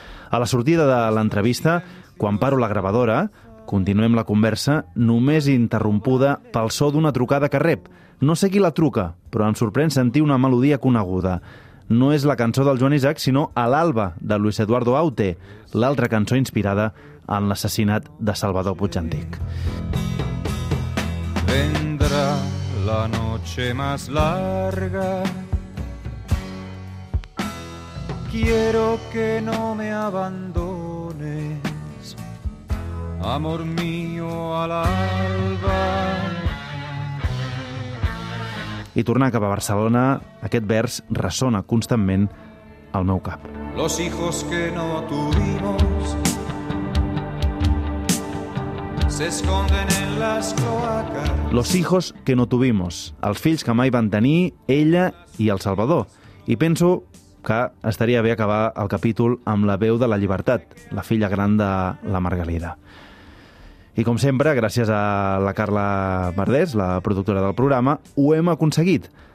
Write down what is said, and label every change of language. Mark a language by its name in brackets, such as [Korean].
[Catalan] A la sortida de l'entrevista, quan paro la gravadora, continuem la conversa, només interrompuda pel so d'una trucada que rep. No sé qui la truca, però em sorprèn sentir una melodia coneguda. No és la cançó del Joan Isaac, sinó A l'alba, de Luis Eduardo Aute, l'altra cançó inspirada en l'assassinat de Salvador Puigantic. [Spanish] Vendrá la noche más larga. Quiero que no me abandones, amor mío, a l'alba. [Catalan] I tornar cap a Barcelona, aquest vers ressona constantment al meu cap. [Spanish] Los hijos que no tuvimos se esconden en las cloacas. Los hijos que no tuvimos, [Catalan] els fills que mai van tenir ella i el Salvador. I penso que estaria bé acabar el capítol amb la veu de la Llibertat, la filla gran de la Margalida. I com sempre, gràcies a la Carla Verdés, la productora del programa, ho hem aconseguit.